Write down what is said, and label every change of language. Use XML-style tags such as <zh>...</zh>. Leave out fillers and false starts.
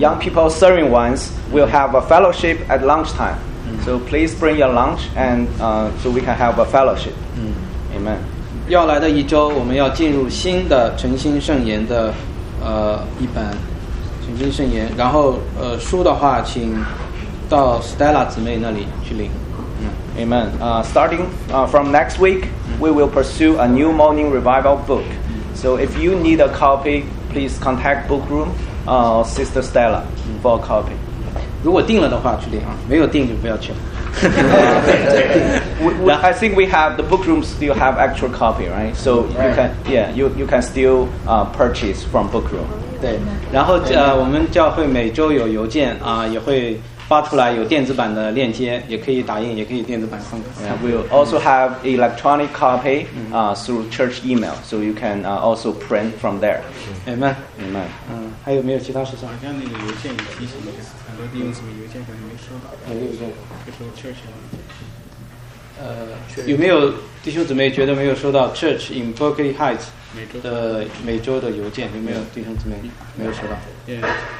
<en>Young people serving ones will have a fellowship at lunchtime. So please bring your lunch and so we can have a fellowship. Amen.</en> <zh>要来的一周我们要进入新的晨兴圣言的一本晨兴圣言，然后书的话请到 Stella 姊妹那里去领。</zh> <en>Amen. Starting from next week, we will pursue a new morning revival book. So if you need a copy, please contact book room. Sister Stella for a copy.</en> <zh>如果订了的话去领啊，没有订就不要去了。</zh> <en>I think we have the book room still have actual copy, right? So you can, yeah, you can still purchase from book room.</en> <zh>对，然后我们教会每周有邮件啊，也会发出来有电子版的链接，也可以打印，也可以电子版送。</zh> <en>Yeah, we'll also have electronic copy through church email, so you can also print from there. Amen. Amen.</en> <zh>还有没有其他事项？好像那个邮件有提醒的，很多弟兄姊妹邮件可能没收到。没有邮件，就是 church。有没有弟兄姊妹觉得没有收到 church in Berkeley Heights 每周的邮件？有没有弟兄姊妹没有收到？</zh>